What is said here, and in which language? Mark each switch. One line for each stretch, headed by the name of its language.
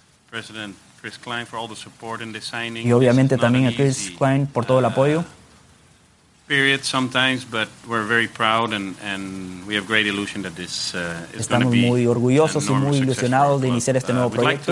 English: President Chris Klein for all the support in this signing.
Spanish: Y obviamente también a Chris Klein por todo el apoyo.
English: Period sometimes, but we're very proud and we have great illusion that this is going to be.
Spanish: Estamos muy orgullosos y muy ilusionados de iniciar este nuevo proyecto.